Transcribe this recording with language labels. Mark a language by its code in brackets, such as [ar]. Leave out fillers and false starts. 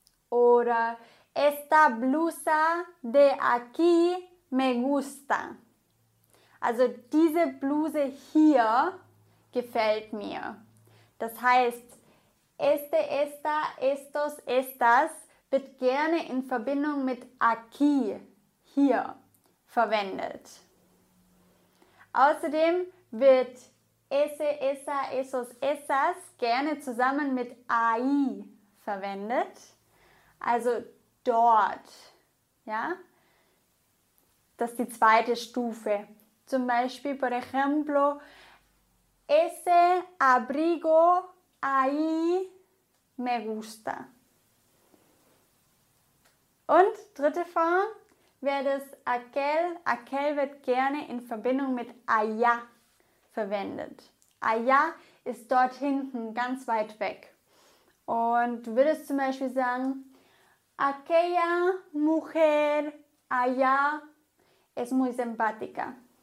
[es] Oder esta blusa de aquí me gusta. [de] Also diese Bluse hier gefällt mir. Das heißt, este, esta, estos, estas wird gerne in Verbindung mit aquí, hier, verwendet. Außerdem wird ese, esa, esos, esas gerne zusammen mit ahí verwendet, also dort, ja. Das ist die zweite Stufe. Zum Beispiel, [es] por ejemplo, ese abrigo ahí me gusta. [de] Und dritte Form wäre das aquel. Aquel wird gerne in Verbindung mit allá verwendet. Allá ist dort hinten, ganz weit weg. Und du würdest zum Beispiel sagen, [es] aquella mujer allá es muy simpática.